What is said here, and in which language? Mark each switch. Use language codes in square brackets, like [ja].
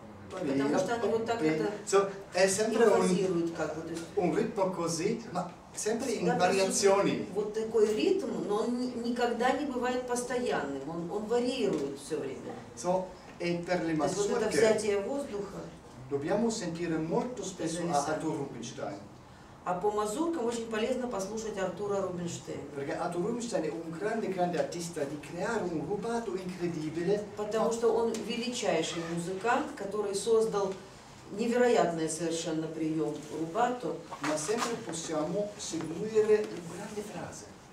[ru] Потому что они вот так это импровизируют, как бы. Вот такой ритм, но он никогда не бывает постоянным, он варьирует все время. [it] So, e per le mazurche, [ru] вот это взятие воздуха. [it] Dobbiamo sentire molto spesso Arturo Rubinstein. [ru] А по мазуркам очень полезно послушать Артура Рубинштейна. [it] Perché Arturo Rubinstein è un grande artista di creare un rubato incredibile. [ru] Потому что он величайший музыкант, который создал невероятный совершенно прием рубато. [it] Ma sempre possiamo seguire le grandi frasi.